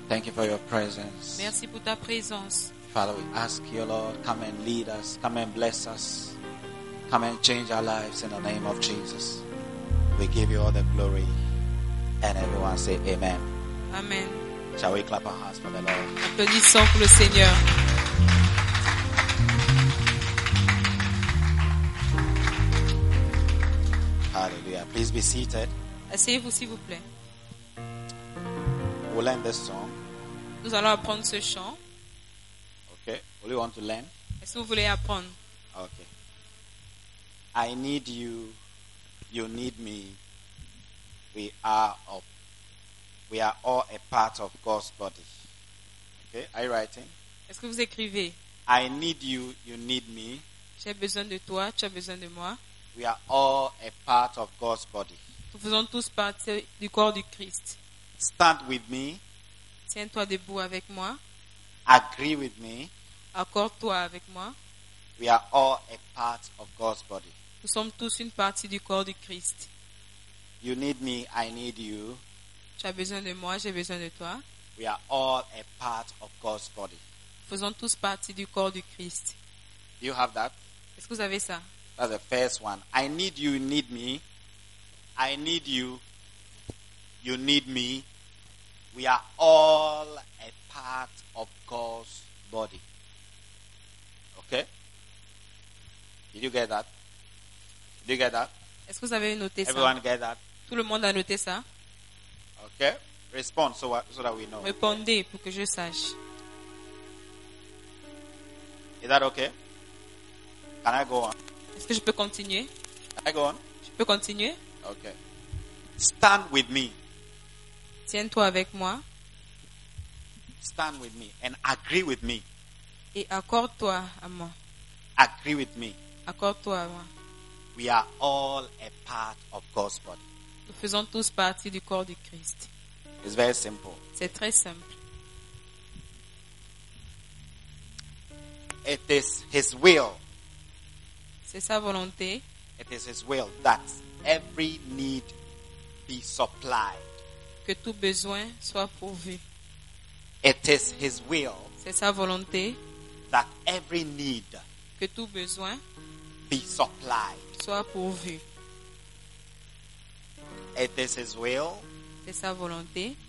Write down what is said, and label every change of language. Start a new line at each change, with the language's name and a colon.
English: Thank you for your presence.
French: Merci pour ta présence.
English: Father, we ask you, Lord, come and lead us. Come and bless us. Come and change our lives in the name of Jesus. We give you all the glory. And everyone say amen. Amen. Shall we clap our hands for the Lord?
French: Applaudissons pour le Seigneur.
English: Hallelujah. Please be seated.
French: Asseyez-vous, s'il vous plaît.
English: We'll learn this song.
French: Nous allons apprendre ce chant.
English: Okay. Will you want to learn?
French: Est-ce que vous voulez apprendre?
English: Okay. I need you, you need me. We are all a part of God's body. Okay, are you writing?
French: Est-ce que vous écrivez?
English: I need you, you need me.
French: J'ai besoin de toi, tu as besoin de moi.
English: We are all a part of God's body.
French: Nous faisons tous partie du corps du Christ.
English: Stand with me.
French: Tiens-toi debout avec moi.
English: Agree with me.
French: Accorde-toi avec moi.
English: We are all a part of God's body.
French: Nous sommes tous une partie du corps du Christ.
English: You need me, I need you.
French: Tu as besoin de moi, j'ai besoin de toi.
English: We are all a part of God's body.
French: Nous faisons tous partie du corps du Christ.
English: Do you have that?
French: Est-ce que vous avez ça?
English: That's the first one. I need you, you need me. I need you. You need me. We are all a part of God's body. Okay? Did you get that? Did you get that?
French: Est-ce que vous avez noté
English: ça? Everyone get that?
French: Tout le monde a noté ça?
English: Okay? Respond so that we know.
French: Répondez pour que je sache.
English: Is that okay? Can I go on?
French: Est-ce que je peux continuer?
English: Can I go on?
French: Je peux continuer?
English: Okay. Stand with me.
French: Tiens-toi avec moi.
English: Stand with me and agree with me.
French: Et accorde-toi à moi.
English: Agree with me.
French: Accorde-toi à moi.
English: We are all a part of God's body.
French: Nous faisons tous partie du corps du Christ.
English: It's very simple.
French: C'est très simple.
English: It is His will.
French: C'est sa volonté.
English: It is His will that every need be supplied.
French: Que tout besoin soit pourvu.
English: It is His will.
French: C'est sa volonté.
English: That every need.
French: Que tout besoin.
English: Be supplied.
French: Soit pourvu.
English: It is His will.
French: C'est sa volonté.